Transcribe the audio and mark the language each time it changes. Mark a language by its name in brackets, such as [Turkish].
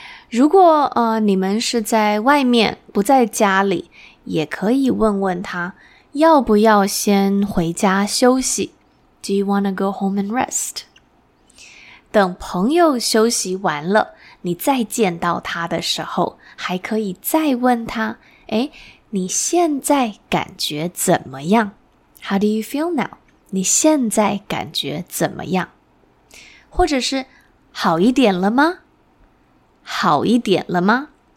[Chinese] 如果你们是在外面不在家里，也可以问问他要不要先回家休息。 [English] Do you want to go home and rest? [Chinese] 等朋友休息完了，你再见到他的时候，还可以再问他，诶，你现在感觉怎么样？ [English] How do you feel now? [Chinese] 你现在感觉怎么样？或者是好一点了吗？好一点了吗？